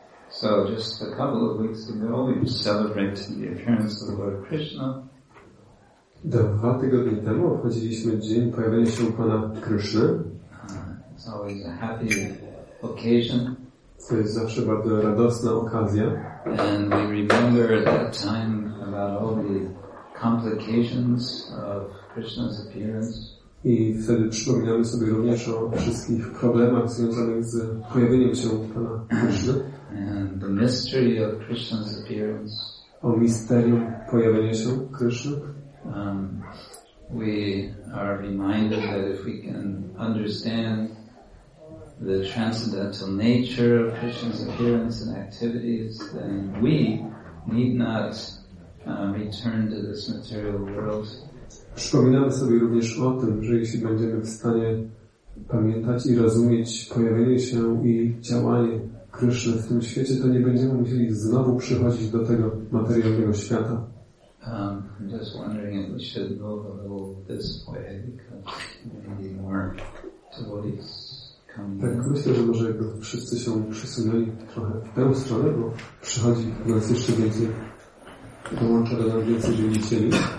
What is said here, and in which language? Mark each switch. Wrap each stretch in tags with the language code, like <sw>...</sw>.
<en>So just a couple of weeks ago, we celebrated the appearance of the Lord Krishna.</en> <pl>Dwa tygodnie temu obchodziliśmy dzień pojawienia się Pana Kryszny.</pl> <en>It's always a happy occasion.</en> <pl>To jest zawsze bardzo radosna okazja.</pl> <en>And we remember at that time about all the complications of Krishna's appearance.</en> <pl>I wtedy przypominamy sobie również o wszystkich problemach związanych z pojawieniem się Pana Kryszny.</pl> <en>And the mystery of Krishna's appearance.</en> <pl>O misterium pojawienia się Kryszny.</pl> <en>We are reminded that if we can understand the transcendental nature of Krishna's appearance and activities, then we need not return to this material world.</en> <pl>Przypominamy sobie również o tym, że jeśli będziemy w stanie pamiętać i rozumieć pojawienie się i działanie Kryszny w tym świecie, to nie będziemy musieli znowu przychodzić do tego materialnego świata.</pl> <en>I'm just wondering if we should move a little this way because maybe more devotees come.</en> <pl>Tak, myślę, że może jakby wszyscy się przesunęli trochę w tę stronę, bo przychodzi do nas jeszcze więcej, dołącza do nas więcej dzielnicieli.</pl>